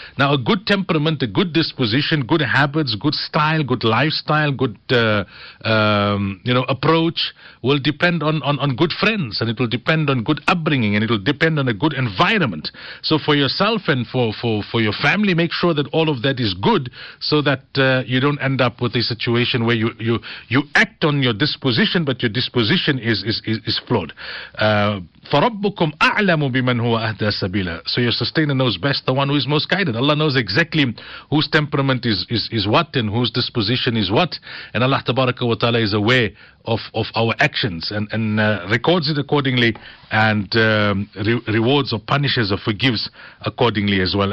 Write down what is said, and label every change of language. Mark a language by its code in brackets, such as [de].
[en] Now, a good temperament, a good disposition, good habits, good style, good lifestyle, good approach will depend on good friends, and it will depend on good upbringing, and it will depend on a good environment. So for yourself and for your family, make sure that all of that is good, so that you don't end up with a situation where you act on your disposition, but your disposition is flawed. [ar] فَرَبُّكُمْ أَعْلَمُ بِمَنْ هُوَ أَهْدَى سَبِيلًا. [en] So your sustainer knows best the one who is most guided. Allah knows exactly whose temperament is what and whose disposition is what. And Allah Tabaraka wa Ta'ala is aware of our actions and records it accordingly, and rewards or punishes or forgives accordingly as well.